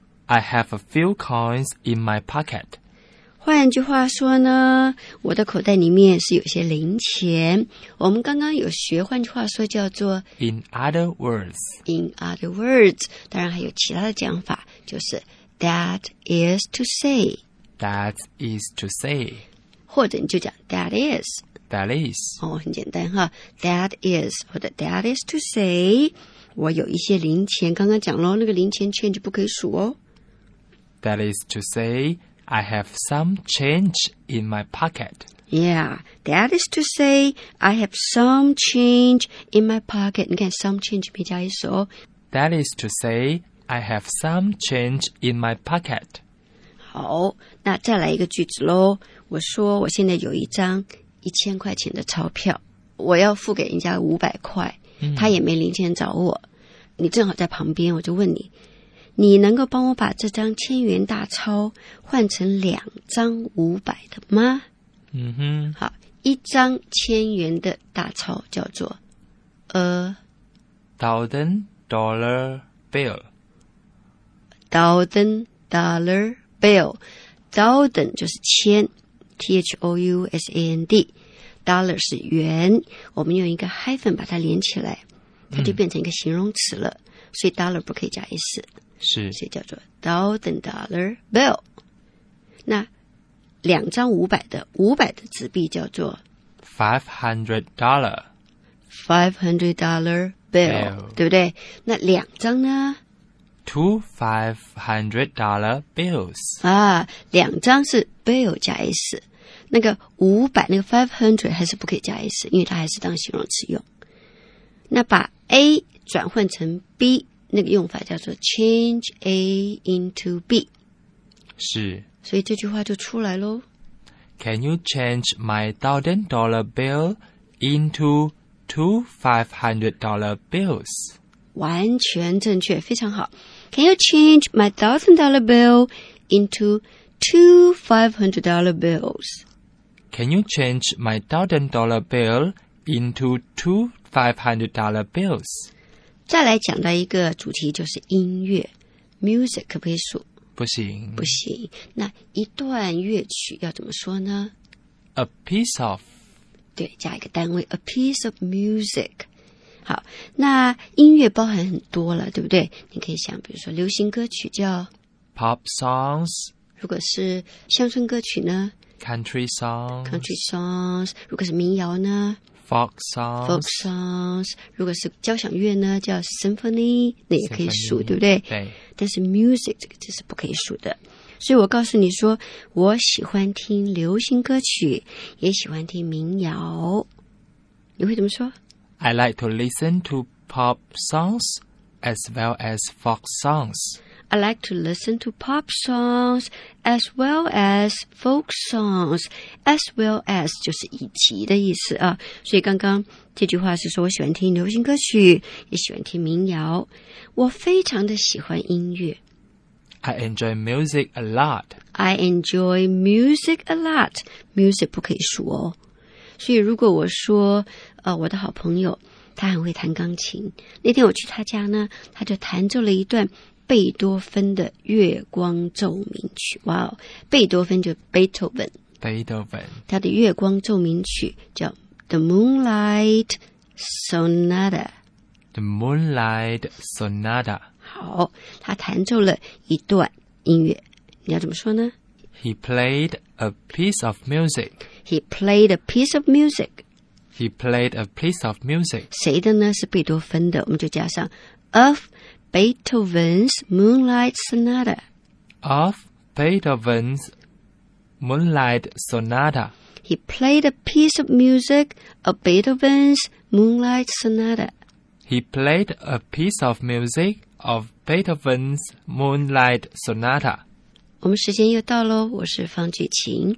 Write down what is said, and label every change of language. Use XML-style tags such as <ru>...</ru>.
<en>I have a few coins in my pocket.</en> <zh>换句话说呢，我的口袋里面是有些零钱。我们刚刚有学，换句话说叫做</zh> <en>In other words. In other words.</en> <zh>当然还有其他的讲法，就是</zh> <en>That is to say. That is to say.</en> <zh>或者你就讲</zh> <en>That is. That is.</en> <zh>哦，很简单哈。</zh> <en>That is 或者 That is to say.</en> <zh>我有一些零钱，刚刚讲了，那个零钱 change 不可以数哦。</zh> <en>That is to say, I have some change in my pocket. Yeah, that is to say, I have some change in my pocket.</en> <zh>你看</zh> <en>some change</en> <zh>没加一首。</zh> <en>That is to say, I have some change in my pocket.</en> <zh>好，那再来一个句子咯。我说我现在有一张一千块钱的钞票，我要付给人家五百块。他也没零钱找我，你正好在旁边，我就问你，你能够帮我把这张千元大钞换成两张五百的吗？嗯哼，好，一张千元的大钞叫做 a</zh> <en>thousand dollar bill. Thousand dollar bill.</en> <zh>Thousand 就是千 T-H-O-U-S-A-N-D。 Dollar 是元，我们用一个 hyphen 把它连起来，它就变成一个形容词了。所以 dollar 不可以加 s，是，所以叫做 thousand dollar bill。那两张五百的，五百的纸币叫做</zh> <en>$500。 $500 bill，</en> <zh>对不对？那两张呢？</zh> <en>$2,500 bills。</en> <zh>啊，两张是 bill 加 s。那个五百，那个 500 还是不可以加 s， 因为它还是当形容词用。那把 a 转换成 b， 那个用法叫做</zh> <en>change a into b。</en> <zh>是。所以这句话就出来咯。</zh> <en>Can you change my thousand dollar bill into $2,500 bills？</en> <zh>完全正确，非常好。</zh> <en>Can you change my thousand dollar bill into $2,500 bills？ Can you change my thousand dollar bill into $2,500 bills?</en> <zh>再来讲到一个主题，就是音乐 ，music 可不可以数？不行，不行。那一段乐曲要怎么说呢</zh> <en>？A piece of，</en> <zh>对，加一个单位 ，</zh> <en>a piece of music。</en> <zh>好，那音乐包含很多了，对不对？你可以想，比如说流行歌曲叫</zh> <en>pop songs，</en> <zh>如果是乡村歌曲呢？</zh> <en>Country songs, country songs.</en> <zh>如果是民谣呢</zh> <en>？Folk songs, folk songs.</en> <zh>如果是交响乐呢？叫 symphony， 那也可以数，</zh> <en>symphony,</en> <zh>对不对？对。但是 music 这个字是不可以数的。所以我告诉你说，我喜欢听流行歌曲，也喜欢听民谣。你会怎么说</zh> <en>？I like to listen to pop songs as well as folk songs. I like to listen to pop songs as well as folk songs. As well as</en> <zh>就是以及的意思啊。所以刚刚这句话是说我喜欢听流行歌曲，也喜欢听民谣。我非常的喜欢音乐。</zh> <en>I enjoy music a lot. I enjoy music a lot.</en> <zh>Music 不可以数哦。所以如果我说我的好朋友他很会弹钢琴。那天我去他家呢，他就弹奏了一段贝多芬的月光奏鸣曲，哇哦！贝多芬就 Beethoven，贝多芬，他的月光奏鸣曲叫</zh> <en>The Moonlight Sonata， The Moonlight Sonata。</en> <zh>好，他弹奏了一段音乐，你要怎么说呢？</zh> <en>He played a piece of music. He played a piece of music. He played a piece of music.</en> <zh>谁的呢？是贝多芬的，我们就加上 of。</zh> <en>Beethoven's Moonlight Sonata. Of Beethoven's Moonlight Sonata. He played a piece of music of Beethoven's Moonlight Sonata. He played a piece of music of Beethoven's Moonlight Sonata.</en> <zh>我们时间又到咯，我是方俊琴，</zh>